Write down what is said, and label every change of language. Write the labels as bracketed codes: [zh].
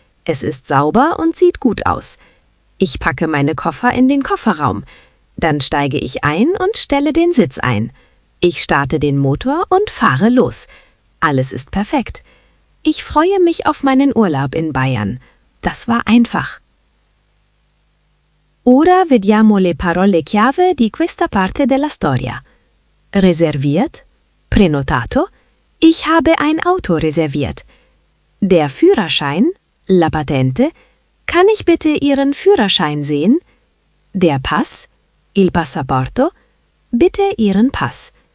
[de] Es ist sauber und sieht gut aus. Ich packe meine Koffer in den Kofferraum. Dann steige ich ein und stelle den Sitz ein. Ich starte den Motor und fahre los. Alles ist perfekt. Ich freue mich auf meinen Urlaub in Bayern. Das war einfach. [it] Ora vediamo le parole chiave di questa parte della storia. [de] Reserviert, prenotato, ich habe ein Auto reserviert. Der Führerschein, [it] la patente, [de] kann ich bitte Ihren Führerschein sehen? Der Pass, [it] il passaporto, [de] bitte Ihren Pass.